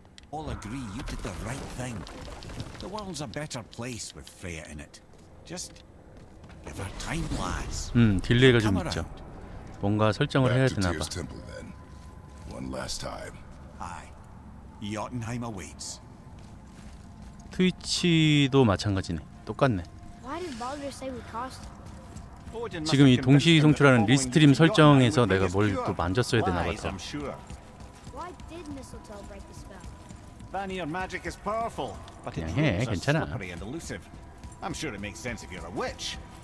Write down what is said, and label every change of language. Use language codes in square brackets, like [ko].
[en] All agree you did the right thing. The world's a better place with Freya in it. Just give her time, lads. [ko] 딜레이가 좀 있죠. 뭔가 설정을 해야 되나 봐. [en] One last time. Jotunheim awaits. [ko] 트위치도 마찬가지네. 똑같네. [en] Why did Baldur say we crossed? [ko] 지금 이 동시 송출하는 리스트림 설정에서 내가 뭘 또 만졌어야 되나 봐서. [en] Why did Mistletoe break the spell? Vanir magic is powerful, but it's slippery and elusive. I'm sure it makes sense if you're a witch.